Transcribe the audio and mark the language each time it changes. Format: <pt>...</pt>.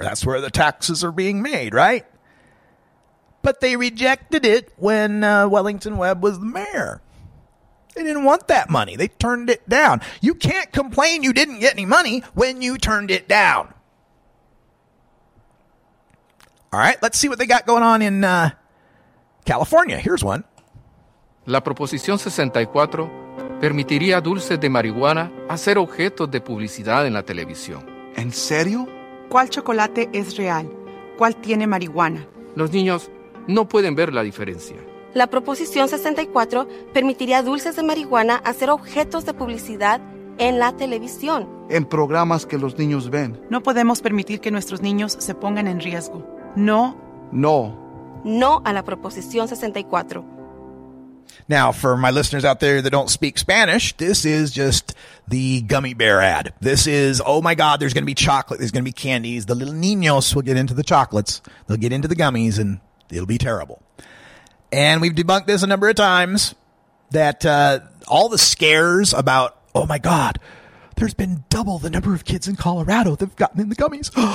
<en>That's where the taxes are being made, right? But they rejected it when Wellington Webb was the mayor. They didn't want that money. They turned it down. You can't complain you didn't get any money when you turned it down. All right, let's see what they got going on in California. Here's one.</en> <es>La Proposición 64 permitiría dulces de marihuana hacer objetos de publicidad en la televisión. ¿En serio? ¿Cuál chocolate es real? ¿Cuál tiene marihuana? Los niños no pueden ver la diferencia. La Proposición 64 permitiría dulces de marihuana hacer objetos de publicidad en la televisión. En programas que los niños ven. No podemos permitir que nuestros niños se pongan en riesgo. No. No. No a la Proposición 64.</es> <en>Now, for my listeners out there that don't speak Spanish, this is just the gummy bear ad. This is, oh my God, there's going to be chocolate. There's going to be candies. The little niños will get into the chocolates. They'll get into the gummies and it'll be terrible. And we've debunked this a number of times that all the scares about, oh my God, there's been double the number of kids in Colorado that have gotten in the gummies.</en>